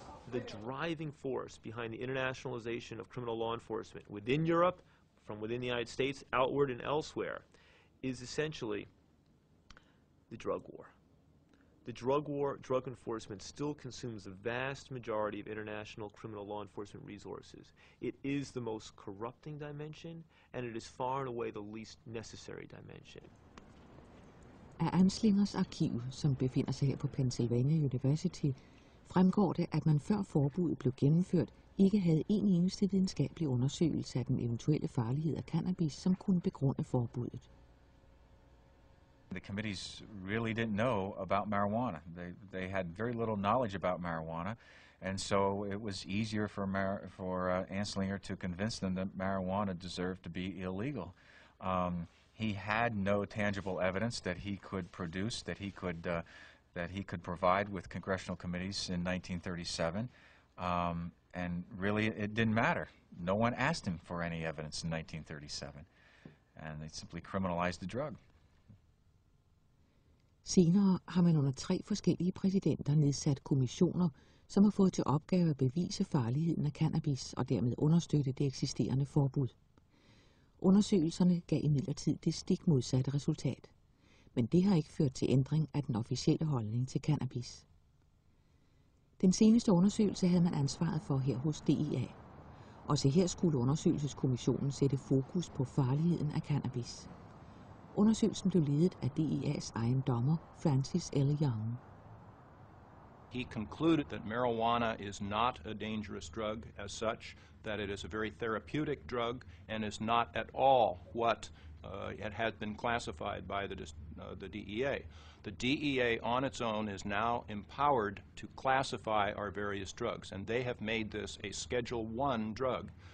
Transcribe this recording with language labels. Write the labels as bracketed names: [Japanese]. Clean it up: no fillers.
[English] The driving force behind the internationalization of criminal law enforcement within Europe, from within the United States, outward and elsewhere, is essentially the drug war. The drug war, drug enforcement, still consumes the vast majority of international criminal law enforcement resources. It is the most corrupting dimension, and it is far and away the least necessary dimension. [Danish] Af Anslingers arkiv, som befinder sig her på Pennsylvania University, fremgår det, at man før forbuddet blev gennemført, ikke havde en eneste videnskabelig undersøgelse af den eventuelle farlighed af cannabis, som kunne begrunde forbuddet. [English] The committees really didn't know about marijuana. They had very little knowledge about marijuana, and so it was easier for Anslinger to convince them that marijuana deserved to be illegal. He had no tangible evidence that he could produce, that he could provide with congressional committees in 1937, and really it didn't matter. No one asked him for any evidence in 1937, and they simply criminalized the drug. [Danish] Senere har man under tre forskellige præsidenter nedsat kommissioner, som har fået til opgave at bevise farligheden af cannabis og dermed understøtte det eksisterende forbud. Undersøgelserne gav imidlertid det stik modsatte resultat. Men det har ikke ført til ændring af den officielle holdning til cannabis. Den seneste undersøgelse havde man ansvaret for her hos DEA. Også her skulle undersøgelseskommissionen sætte fokus på farligheden af cannabis. Undersøgelsen blev ledet af DEA's egen dommer, Francis L. Young. [English] He concluded that marijuana is not a dangerous drug as such, that it is a very therapeutic drug and is not at all what it had been classified by the DEA. The DEA on its own is now empowered to classify our various drugs, and they have made this a Schedule I drug.